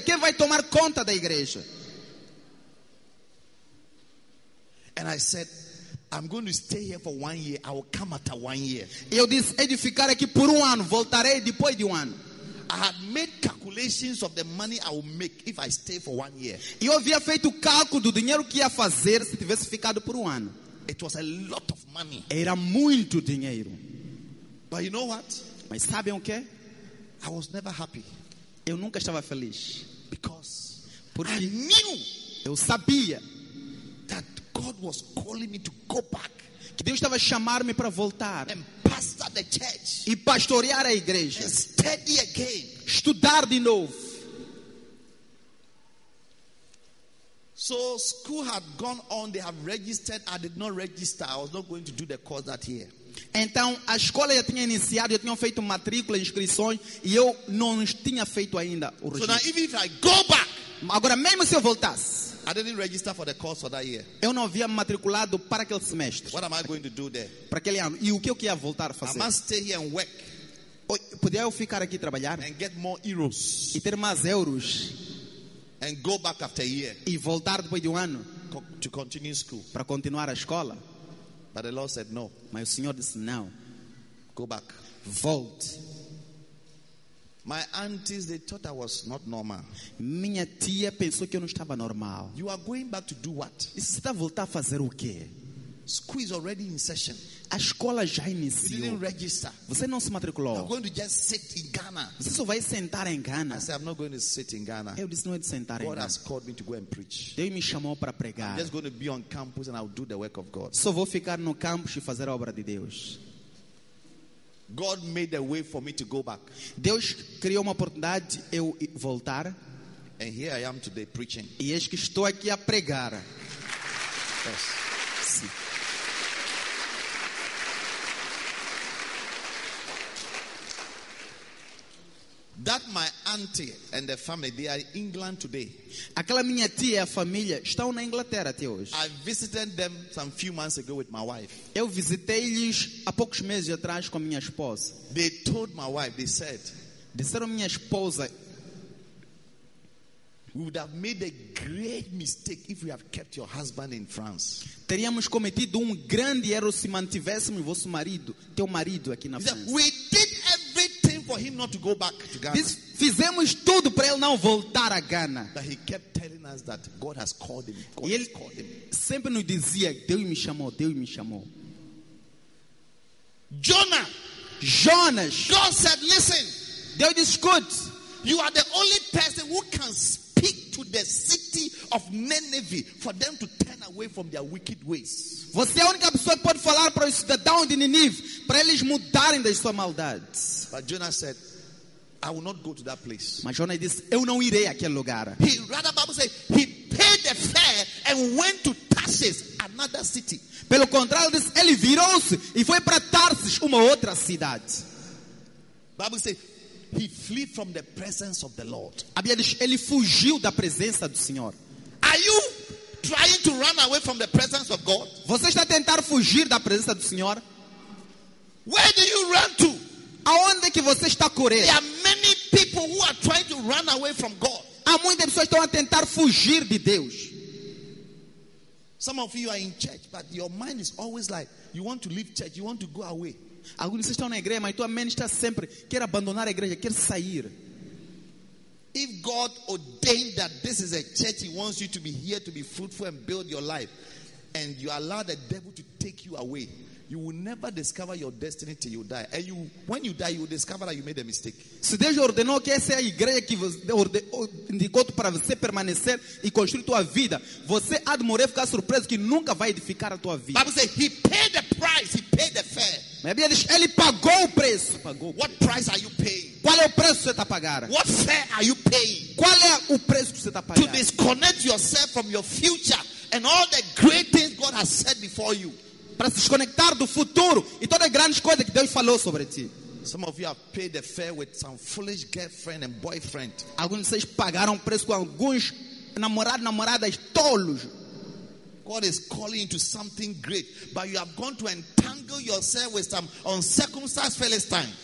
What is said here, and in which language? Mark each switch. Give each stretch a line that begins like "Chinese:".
Portuguese: Quem vai tomar conta da igreja?
English: And I said, I'm going to stay here for 1 year. I will come after 1 year.
Portuguese: Eu disse, é de ficar aqui por ano. Voltarei depois de ano.
English: I had made calculations of the money I will make if I stay for 1 year.
Portuguese: Eu havia feito o cálculo do dinheiro que ia fazer se tivesse ficado por ano.
English: It was a lot of money.
Portuguese: Era muito dinheiro.
English: But you know what?
Portuguese: Mas sabem o que?
English: I was never happy.
Portuguese: Eu nunca estava feliz.
English: Because
Portuguese: porque
English: I knew.
Portuguese: Eu sabia.
English: God was calling me to go back.
Portuguese: Que Deus estava a chamar-me para voltar.
English: And pastor the church.
Portuguese: E pastorear a igreja.
English: And study again.
Portuguese: Estudar de novo.
English: So school had gone on. They have registered. I did not register. I was not going to do the course that year.
Portuguese: Então a escola já tinha iniciado, já tinham feito matrícula, inscrições, e eu não tinha feito ainda o registro.
English: So now, even if I go back,
Portuguese: agora mesmo se eu voltasse,
English: I didn't register for the course for that year.
Portuguese: Eu não havia matriculado para aquele semestre.
English: What am I going to do there?
Portuguese: Para aquele ano. E o que eu ia voltar a fazer?
English: I must stay here and work.
Portuguese: Podia eu ficar aqui trabalhar?
English: And get more euros.
Portuguese: E ter mais euros.
English: And go back after a year.
Portuguese: E voltar depois de um ano.
English: To continue school.
Portuguese: Para continuar a escola.
English: But the Lord said no.
Portuguese: Mas o Senhor disse não.
English: Go back.
Portuguese: Volte.
English: My aunties, they thought I was not normal.
Portuguese: Minha tia pensou que eu não estava normal.
English: You are going back to do what?
Portuguese: Você está voltando a fazer o quê?
English: School is already in session.
Portuguese: A escola já iniciou.
English: You didn't register.
Portuguese: Você não se matriculou.
English: I'm going to just sit in Ghana.
Portuguese: Você só vai sentar em Ghana.
English: I said, I'm not going to sit in Ghana.
Portuguese: Eu disse, não vou sentar
English: God
Portuguese: em Ghana.
English: God has called me to go and preach.
Portuguese: Deus me chamou para pregar.
English: I'm just going to be on campus and I'll do the work of God.
Portuguese: Só vou ficar no campus e fazer a obra de Deus.
English: God made a way for me to go back.
Portuguese: Deus criou uma oportunidade de eu voltar.
English: And here I am today preaching.
Portuguese: E eis que estou aqui a pregar.
English: Yes.
Portuguese: Sim.
English: That my auntie and the family, they are in England today.
Portuguese: Aquela minha tia e a família estão na Inglaterra até hoje.
English: I visited them some few months ago with my wife.
Portuguese: Eu visitei-lhes há poucos meses atrás com a minha esposa.
English: They told my wife, they said,
Portuguese: disseram minha esposa,
English: we would have made a great mistake if we have kept your husband in France.
Portuguese: Teríamos cometido um grande erro se mantivéssemos vosso marido, teu marido aqui na França.
English: We did everything for him not to go back to Ghana.
Portuguese: Fizemos tudo para ele não voltar a Ghana.
English: But he kept telling us that God has called him. God
Portuguese: ele
English: has called him.
Portuguese: Sempre nos dizia, Deus me chamou, Deus me chamou.
English: Jonah,
Portuguese: Jonas.
English: God said, listen.
Portuguese: Deus disse,
English: good. You are the only person who can speak to the city of Nineveh for them to turn away from their wicked ways.
Portuguese: Você é a única pessoa que pode falar para os cidadãos de Nineveh para eles mudarem da sua maldade.
English: But Jonah said, I will not go to that place.
Portuguese: Mas Jonah disse, eu não irei àquele lugar.
English: He rather Bible said, he paid the fare and went to Tarsus, another city.
Portuguese: Pelo contrário, disse, ele virou-se e foi para Tarsus, uma outra cidade.
English: Bible said, he fled from the presence of the Lord.
Portuguese: Ele fugiu da presença do Senhor.
English: Are you trying to run away from the presence of God?
Portuguese: Você está tentando fugir da presença do Senhor?
English: Where do you run to?
Portuguese: Aonde que você está correndo?
English: There are many people who are trying to run away from God.
Portuguese: Há muitas pessoas que estão a tentar fugir de Deus.
English: Some of you are in church, but your mind is always like you want to leave church, you want to go away.
Portuguese: Alguns de vocês estão na igreja, mas tua mente está sempre quer abandonar a igreja, quer sair.
English: If God ordained that this is a church, he wants you to be here to be fruitful and build your life, and you allow the devil to take you away, you will never discover your destiny till you die. And you, when you die, you will discover that you made a mistake.
Portuguese: Se Deus ordenou que essa é a igreja que você indicou para você permanecer e construir tua vida, você há de morrer e ficar surpreso que nunca vai edificar a tua vida.
English: Bible says, he paid the price, he paid the fare.
Portuguese: Mas a Bíblia diz, ele pagou o preço. Pagou.
English: What price are you paying?
Portuguese: Qual é o preço que você está a pagar?
English: What fare are you paying?
Portuguese: Qual é o preço que você está a pagar?
English: To disconnect yourself from your future and all the great things God has said before you.
Portuguese: Para se desconectar do futuro e todas as grandes coisas que Deus falou sobre ti.
English: Some of you have paid the fare with some foolish girlfriend and boyfriend.
Portuguese: Alguns de vocês pagaram preço com alguns namorados, namoradas tolos.
English: God is calling you to something great, but you have gone to entangle yourself with some uncircumcised Philistine.